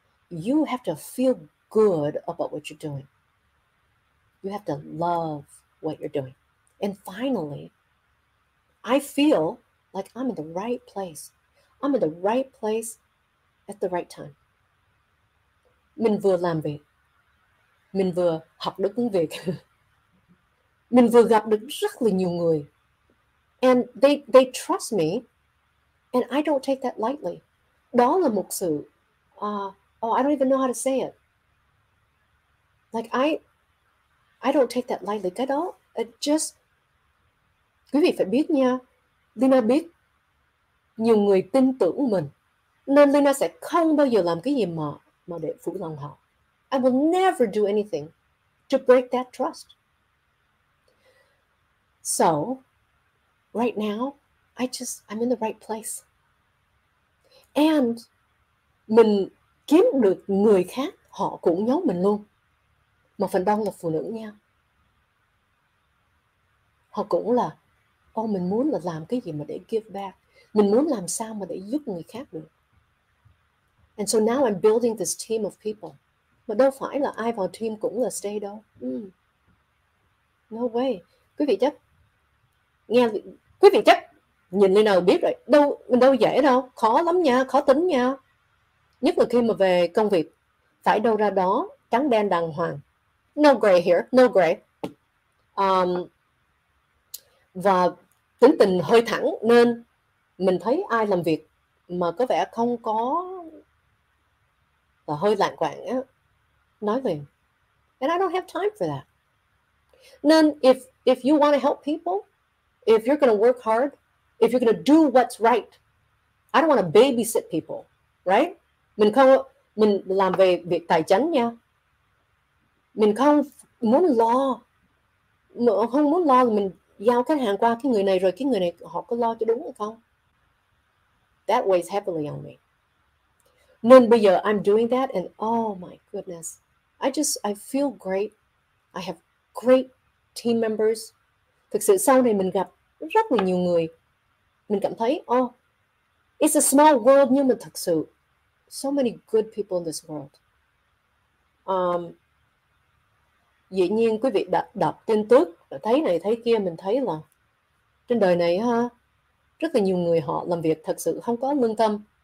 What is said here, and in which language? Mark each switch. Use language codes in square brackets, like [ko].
[en] You have to feel good about what you're doing. You have to love what you're doing. And finally, I feel like I'm in the right place. I'm in the right place at the right time. [vi] Mình vừa làm việc. Mình vừa học được công việc. Mình vừa gặp được rất là nhiều người. [en] And they trust me. And I don't take that lightly. [vi] Đó là một sự. [en] I don't even know how to say it. Like I don't take that lightly. [vi] Cái đó, [en] it just, [vi] quý vị phải biết nha. Lina biết nhiều người tin tưởng mình. Nên Lina sẽ không bao giờ làm cái gì mà để phụ lòng họ. [en] I will never do anything to break that trust. So, right now, I'm in the right place. And [vi] mình kiếm được người khác, họ cũng giống mình luôn. Mà phần đông là phụ nữ nha. Họ cũng là, mình muốn là làm cái gì mà để [en] give back. [vi] Mình muốn làm sao mà để giúp người khác được. [en] And so now I'm building this team of people. [vi] Mà đâu phải là ai vào team cũng là stay đâu. [en] No way. [vi] Quý vị chắc nhìn lên nào biết rồi. Mình đâu dễ đâu. Khó lắm nha, khó tính nha. Nhất là khi mà về công việc, phải đâu ra đó, trắng đen đàng hoàng. [en] No gray here, no gray. [vi] Và tính tình hơi thẳng nên mình thấy ai làm việc mà có vẻ không có và hơi lạng quạng á, nói liền. [en] And I don't have time for that. [vi] Nên [en] if you want to help people, if you're going to work hard, if you're going to do what's right, I don't want to babysit people, right? [vi] Mình làm về việc tài chính nha. Mình không muốn lo là mình giao khách hàng qua cái người này rồi cái người này họ có lo cho đúng hay không. [en] That weighs heavily on me. [vi] Nên bây giờ [en] I'm doing that and oh my goodness. I feel great. I have great team members. [vi] Thực sự sau này mình gặp rất là nhiều người. Mình cảm thấy [en] it's a small world [vi] nhưng mà thực sự [en] so many good people in this world. [vi] Dĩ nhiên quý vị đã đọc tin tức, thấy này thấy kia, mình thấy là trên đời này ha, rất là nhiều người họ làm việc thật sự không có lương tâm.